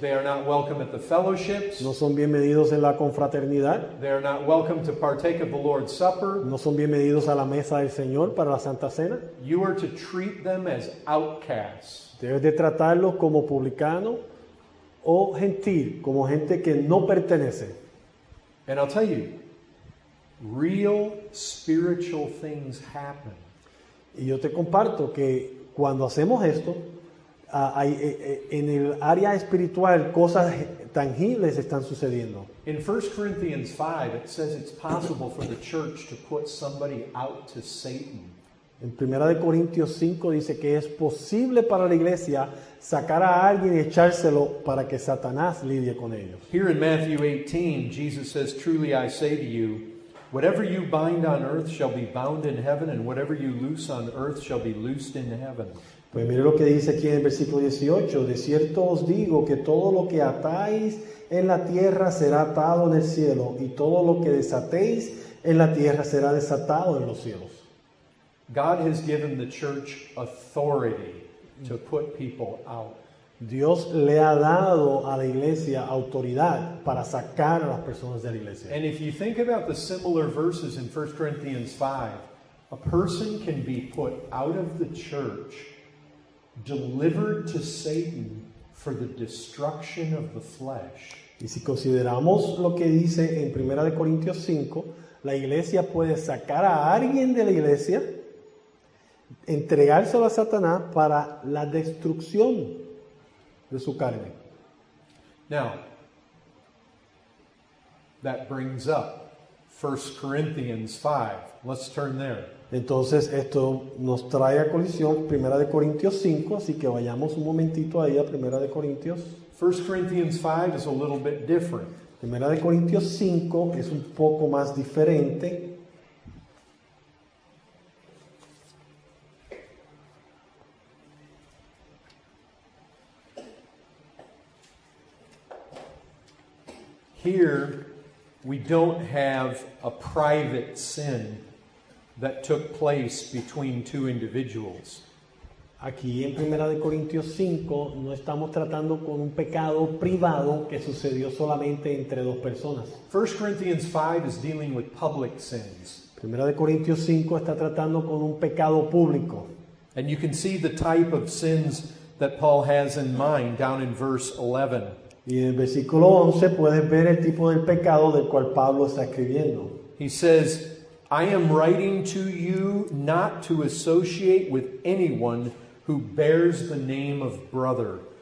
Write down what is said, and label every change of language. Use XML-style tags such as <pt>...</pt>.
<en>They are not welcome at the fellowships.</en> <es>No son bienvenidos en la confraternidad.</es> <en>They are not welcome to partake of the Lord's Supper.</en> <es>No son bienvenidos a la mesa del Señor para la Santa Cena.</es> <en>You are to treat them as outcasts.</en> <es>Debes de tratarlos como publicano o gentil, como gente que no pertenece.</es> <en>And I'll tell you, real spiritual things happen.</en> <es>Y yo te comparto que cuando hacemos esto, hay, en el área espiritual, cosas tangibles están sucediendo.</es> <en>In 1 Corinthians 5, it says it's possible for the church to put somebody out to Satan.</en> <es>En 1 Corintios 5 dice que es posible para la iglesia sacar a alguien y echárselo para que Satanás lidie con ellos.</es> <en>Here in Matthew 18, Jesus says, "Truly I say to you, whatever you bind on earth shall be bound in heaven, and whatever you loose on earth shall be loosed in heaven."</en> <es>Pues mire lo que dice aquí en el versículo 18. De cierto os digo que todo lo que atáis en la tierra será atado en el cielo, y todo lo que desatéis en la tierra será desatado en los cielos.</es> <en>God has given the church authority to put people out.</en> <es>Dios le ha dado a la iglesia autoridad para sacar a las personas de la iglesia.</es> <en>And if you think about the similar verses in 1 Corinthians 5, a person can be put out of the church, delivered to Satan for the destruction of the flesh.</en> <es>Y si consideramos lo que dice en 1 Corintios 5, la iglesia puede sacar a alguien de la iglesia, entregárselo a Satanás para la destrucción de su carne.</es> <en>Now, that brings up 1 Corinthians 5. Let's turn there.</en> <es>Entonces, esto nos trae a colisión 1 Corintios 5, así que vayamos un momentito ahí a 1 Corintios.</es> <en>1 Corinthians 5 is a little bit different.</en> <es>1 Corintios 5 es un poco más diferente.</es> <en>Here we don't have a private sin that took place between two individuals.</en> <es>Aquí en 1 Corintios 5 no estamos tratando con un pecado privado que sucedió solamente entre dos personas.</es> <en>1 Corinthians 5 is dealing with public sins.</en> <es>1 Corintios 5 está tratando con un pecado público.</es> <en>And you can see the type of sins that Paul has in mind down in verse 11.</en> <es>Y en el versículo 11 puedes ver el tipo del pecado del cual Pablo está escribiendo.</es> <en>He says, "I am writing to you not to associate with anyone who bears the name of brother.</en>